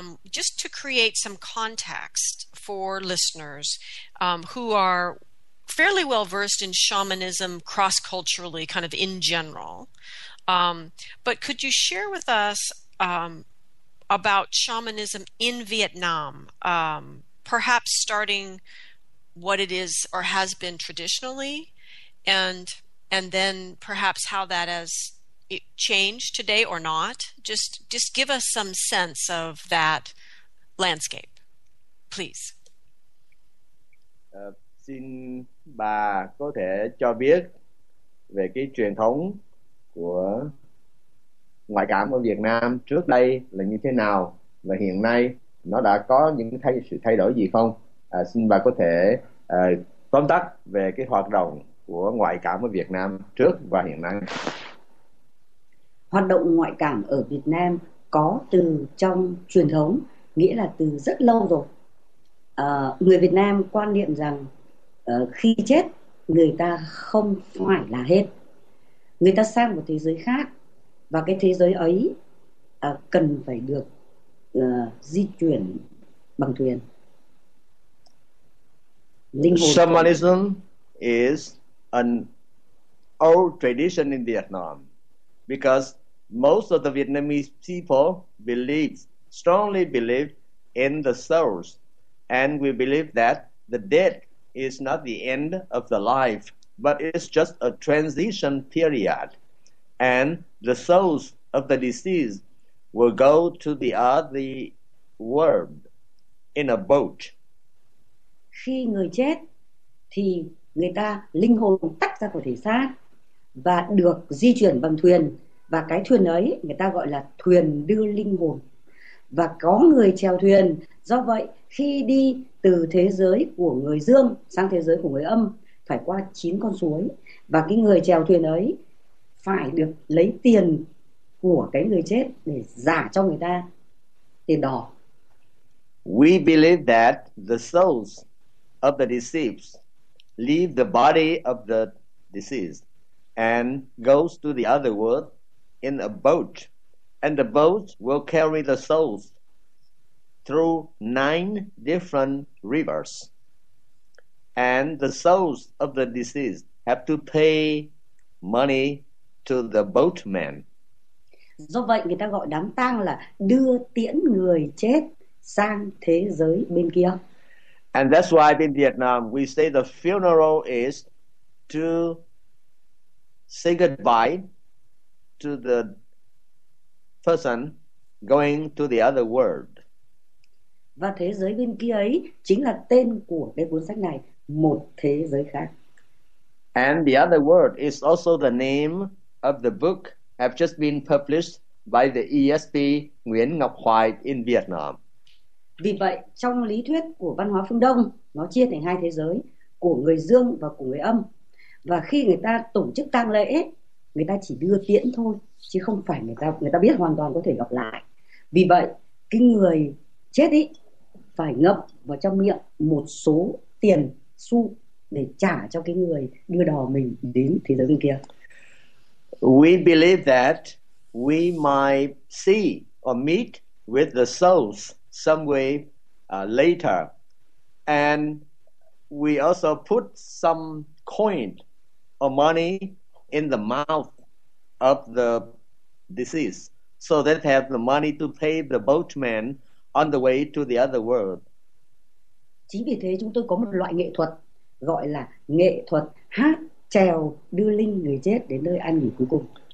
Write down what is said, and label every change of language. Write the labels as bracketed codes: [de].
[en] Just to create some context for listeners who are fairly well-versed in shamanism cross-culturally, kind of in general, but could you share with us about shamanism in Vietnam, perhaps starting what it is or has been traditionally, and then perhaps how that has it changed today or not? Just give us some sense of that landscape, please. [vi] Xin bà có thể cho biết về cái truyền thống của ngoại cảm ở Việt Nam trước đây là như thế nào và hiện nay nó đã có những sự thay đổi gì không? Xin bà có thể tóm tắt về cái hoạt động của ngoại cảm ở Việt Nam trước và hiện nay. Hoạt động ngoại cảm ở Việt Nam có từ trong truyền thống, nghĩa là từ rất lâu rồi. Người Việt Nam quan niệm rằng khi chết người ta không phải là hết, người ta sang một thế giới khác, và cái thế giới ấy cần phải được di chuyển bằng thuyền. [en] Shamanism is an old tradition in Vietnam because most of the Vietnamese people believe, strongly believe in the souls, and we believe that the death is not the end of the life, but it's just a transition period, and the souls of the deceased will go to the other world in a boat. [vi] Khi người chết thì người ta linh hồn tách ra khỏi thể xác và được di chuyển bằng thuyền, và cái thuyền ấy người ta gọi là thuyền đưa linh hồn, và có người chèo thuyền. Do vậy khi đi từ thế giới của người dương sang thế giới của người âm phải qua 9 con suối, và cái người chèo thuyền ấy phải được lấy tiền của cái người chết để giả cho người ta tiền đỏ. [en] We believe that the souls of the deceased leave the body of the deceased and goes to the other world in a boat, and the boat will carry the souls through 9 different rivers, and the souls of the deceased have to pay money to the boatman. [vi] Do vậy người ta gọi đám tang là đưa tiễn người chết sang thế giới bên kia. [en] And that's why in Vietnam we say the funeral is to say goodbye to the person going to the other world. [vi] Và thế giới bên kia ấy chính là tên của cái cuốn sách này, Một Thế Giới Khác. [en] And the other world is also the name of the book have just been published by the ESP Nguyễn Ngọc Hoài in Vietnam. [vi] Vì vậy, trong lý thuyết của văn hóa phương Đông, nó chia thành hai thế giới, của người dương và của người âm. Và khi người ta tổ chức tang lễ, người ta chỉ đưa tiễn thôi, chứ không phải người ta biết hoàn toàn có thể gặp lại. Vì vậy, cái người chết ý phải ngậm vào trong miệng một số tiền xu để trả cho cái người đưa đò mình đến thế giới bên kia. [en] We believe that we might see or meet with the souls some way later, and we also put some coin or money in the mouth of the deceased so that they have the money to pay the boatman on the way to the other world. [vi] Chính vì thế chúng tôi có một loại nghệ thuật gọi là nghệ thuật hát chèo đưa linh người chết đến nơi an nghỉ cuối cùng.